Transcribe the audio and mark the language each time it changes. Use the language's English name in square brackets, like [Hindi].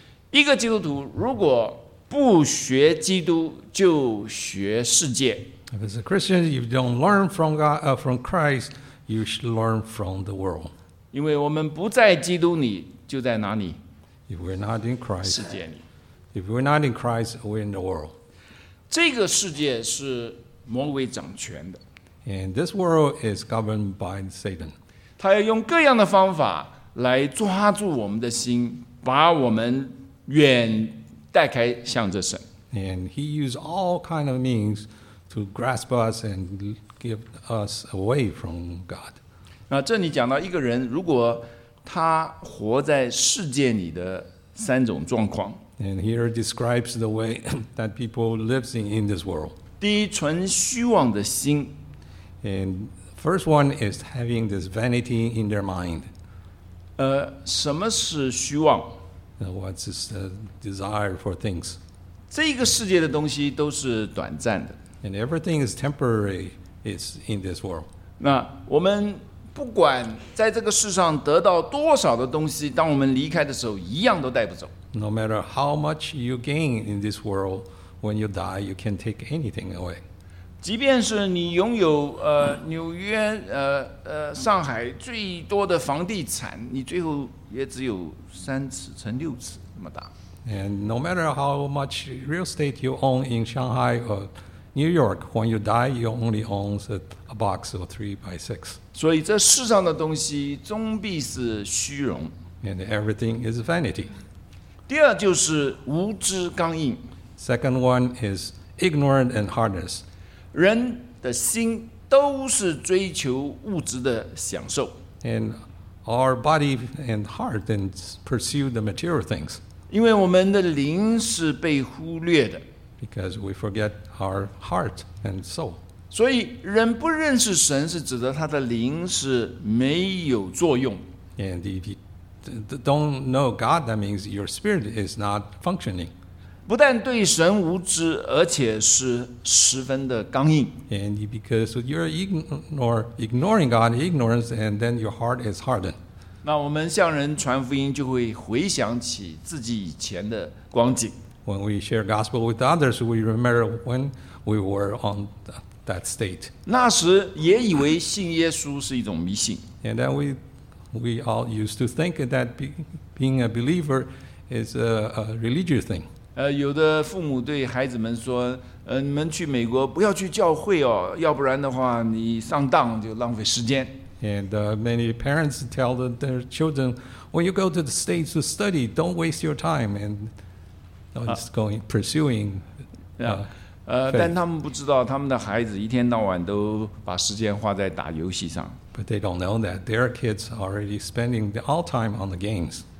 [Chinese] 一个基督徒如果不学基督，就学世界。 [English] If it's a Christian, you don't learn from God, from Christ, you should learn from the world. [Chinese] 因为我们不在基督里，就在哪里？ [English] If we're not in Christ, [Chinese] 世界里。 [English] If we're not in Christ, we're in the world. [Chinese] 这个世界是魔鬼掌权的。 [English] And this world is governed by Satan. [Chinese] 他要用各样的方法来抓住我们的心，把我们远带开向着神。 [English] And he used all kind of means to grasp us and give us away from God. [Chinese] 那这里讲到一个人，如果他活在世界里的三种状况。 [English] And here describes the way that people live in this world. [Chinese] 第一，存虚妄的心。 [English] And first one is having this vanity in their mind. [Chinese] 什么是虚妄？ [English] What's the desire for things? [Chinese] 这个世界的东西都是短暂的。 [English] And everything is temporary is in this world. [Chinese] 那我们不管在这个世上得到多少的东西，当我们离开的时候，一样都带不走。 [English] No matter how much you gain in this world, when you die, you can't take anything away. [Chinese] 即便是你拥有纽约上海最多的房地产，你最后也只有三尺乘六尺那么大。 [English] And no matter how much real estate you own in Shanghai or New York, when you die, you only own a box or 3x6. [Chinese] 所以这世上的东西终必是虚荣。 [English] And everything is vanity. [Chinese] 第二就是无知刚硬。 [English] Second one is ignorant and hardness. [Chinese] 人的心都是追求物质的享受。 [English] And our body and heart then pursue the material things. [Chinese] 因为我们的灵是被忽略的。 [English] Because we forget our heart and soul. [Chinese] 所以人不认识神是指的他的灵是没有作用。 [English] And if you don't know God, that means your spirit is not functioning. [Chinese] 不但对神无知，而且是十分的刚硬。 [English] And because you're ignoring God, ignorance, and then your heart is hardened. [Chinese] 那我们向人传福音，就会回想起自己以前的光景。 [English] When we share gospel with others, we remember when we were on that state. [Chinese] 那时也以为信耶稣是一种迷信。 [English] And then we all used to think that being a believer is a religious thing. [Chinese] 有的父母对孩子们说，你们去美国不要去教会哦，要不然的话你上当就浪费时间。 [English] And many parents tell their children, when you go to the States to study, don't waste your time and just going pursuing. [Chinese] 但他们不知道，他们的孩子一天到晚都把时间花在打游戏上。 [English] But they don't know that their kids are already spending all time on the games.